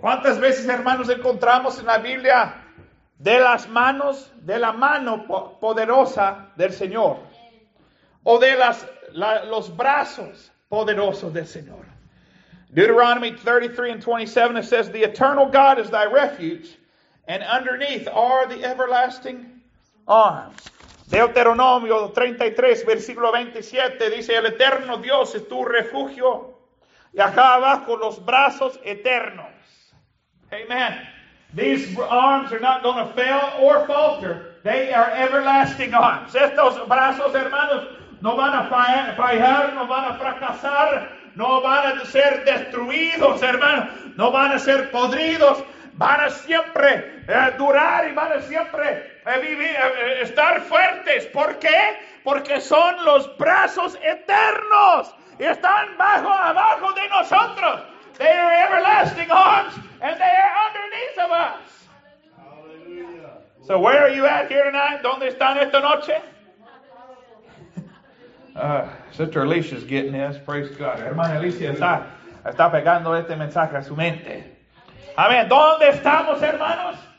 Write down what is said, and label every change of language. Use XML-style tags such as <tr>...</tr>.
<es>¿Cuántas veces, hermanos, encontramos en la Biblia de las manos, de la mano poderosa del Señor? O de los brazos poderosos del Señor.</es> <en>Deuteronomy 33 and 27, it says, the eternal God is thy refuge. And underneath are the everlasting arms.</en> <es>Deuteronomio 33, versículo 27, dice, el eterno Dios es tu refugio, y acá abajo los brazos eternos.</es> <en>Amen. These arms are not going to fail or falter. They are everlasting arms.</en> <es>Estos brazos, hermanos, no van a fallar, no van a fracasar, no van a ser destruidos, hermanos, no van a ser podridos. Van a siempre durar y van a siempre estar fuertes. ¿Por qué? Porque son los brazos eternos. Y están bajo, abajo de nosotros.</es> <en>They are everlasting arms and they are underneath of us. Hallelujah. So where are you at here tonight?</en> <es>¿Dónde están esta noche?</es> <en>Sister Alicia's getting this. Praise God.</en> <es>Hermana Alicia está pegando este mensaje a su mente. Amén. ¿Dónde estamos, hermanos?</es>